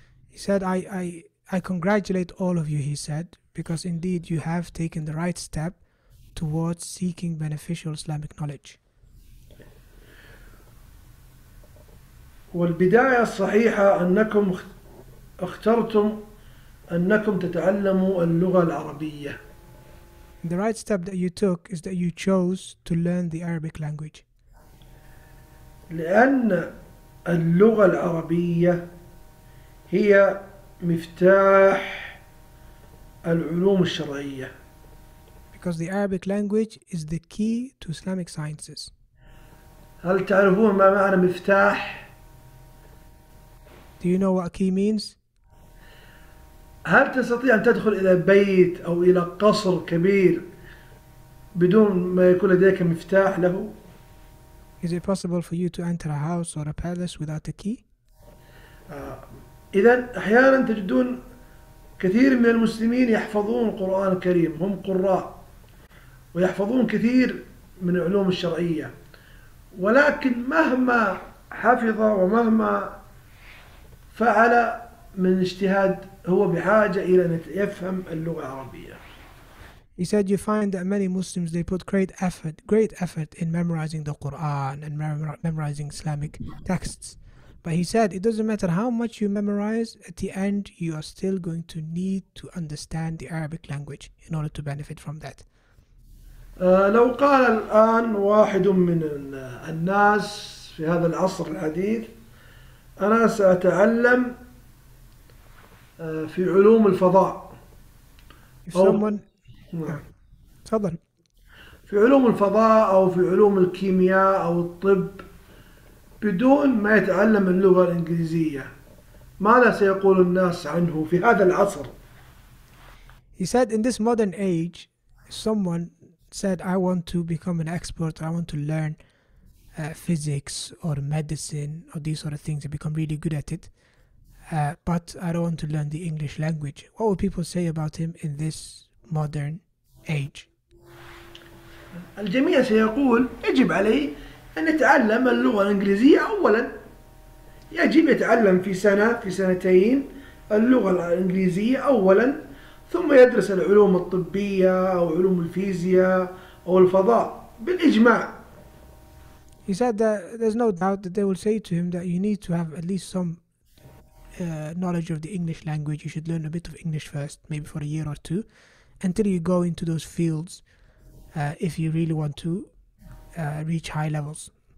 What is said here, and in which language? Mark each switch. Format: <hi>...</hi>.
<en>He said, I congratulate all of you, he said, because indeed you have taken the right step towards seeking beneficial Islamic knowledge.</en> <ar>والبداية الصحيحة أنكم اخترتم أنكم تتعلموا اللغة العربية.</ar> <en>The right step that you took is that you chose to learn the Arabic language.</en> <ar>لأن اللغة العربية هي مفتاح العلوم الشرعية.</ar> <en>Because the Arabic language is the key to Islamic sciences.</en> <ar>هل تعرفون ما معنى مفتاح؟</ar> <en>Do you know what key means?</en> <ar>هل تستطيع أن تدخل إلى بيت أو إلى قصر كبير بدون ما يكون لديك مفتاح له؟</ar> <en>Is it possible for you to enter a house or a palace without a key?</en> <ar>إذن أحيانا تجدون كثير من المسلمين يحفظون القرآن الكريم، هم قراء ويحفظون كثير من العلوم الشرعية، ولكن مهما حفظ ومهما فعل من اجتهاد هو بحاجة إلى أن يفهم اللغة العربية.</ar> <en>He said, you find that many Muslims, they put great effort in memorizing the Quran and memorizing Islamic texts. But he said, it doesn't matter how much you memorize, at the end, you are still going to need to understand the Arabic language in order to benefit from that.</en> <ar>لو قال الآن واحد من الناس في هذا العصر الحديث, أنا سأتعلم في علوم الفضاء. تفضل. في علوم الفضاء أو في علوم الكيمياء أو الطب بدون ما يتعلم اللغة الإنجليزية, ماذا سيقول الناس عنه في هذا العصر؟</ar> <en>He said, in this modern age, someone said, I want to become an expert, I want to learn physics or medicine or these sort of things and become really good at it, but I don't want to learn the English language. What would people say about him in this modern age?</en> <ar>الجميع سيقول يجب علي أن أتعلم اللغة الإنجليزية أولا. يجب يتعلم في سنة في سنتين اللغة الإنجليزية أولا, ثم يدرس العلوم الطبية أو علوم الفيزياء أو الفضاء بالإجماع.</ar> <en>He said that there's no doubt that they will say to him that you need to have at least some knowledge of the English language. You should learn a bit of English first, maybe for a year or two, until you go into those fields if you really want to reach high levels.</en>